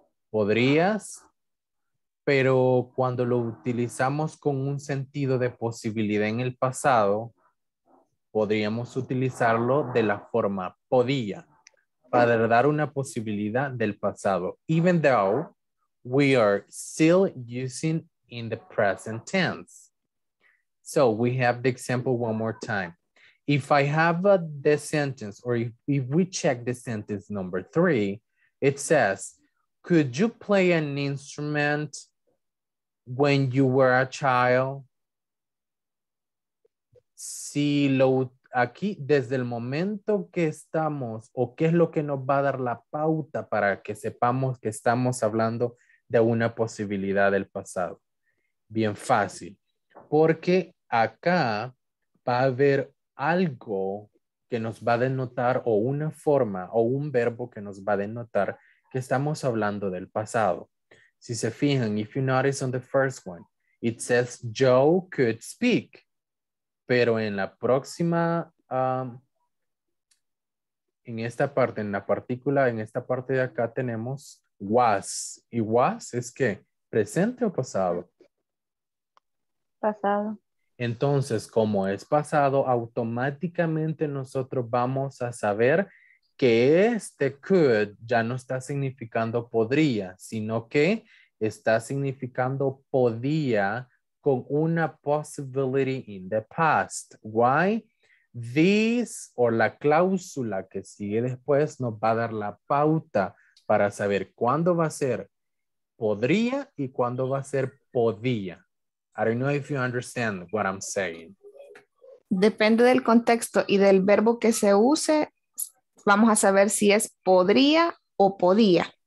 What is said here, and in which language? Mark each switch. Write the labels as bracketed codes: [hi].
[es] Podrías, pero cuando lo utilizamos con un sentido de posibilidad en el pasado, podríamos utilizarlo de la forma podía para dar una posibilidad del pasado, [en] even though we are still using in the present tense. So we have the example one more time. If I have the sentence, or if we check the sentence number three, it says, could you play an instrument when you were a child? [es] Si lo aquí, desde el momento que estamos, o qué es lo que nos va a dar la pauta para que sepamos que estamos hablando de una posibilidad del pasado. Bien fácil, porque acá va a haber algo que nos va a denotar, o una forma o un verbo que nos va a denotar que estamos hablando del pasado. Si se fijan, [en] if you notice on the first one, it says Joe could speak. [es] Pero en la próxima, en esta parte, en la partícula, en esta parte de acá tenemos was. ¿Y was es qué? ¿Presente o pasado? Pasado. Entonces, como es pasado, automáticamente nosotros vamos a saber que este could ya no está significando podría, sino que está significando podía con una [en] possibility in the past. Why? [es] This, o la cláusula que sigue después, nos va a dar la pauta para saber cuándo va a ser podría y cuándo va a ser podía. [en] I don't know if you understand what I'm saying. [es] Depende del contexto y del verbo que se use, vamos a saber si es podría o podía.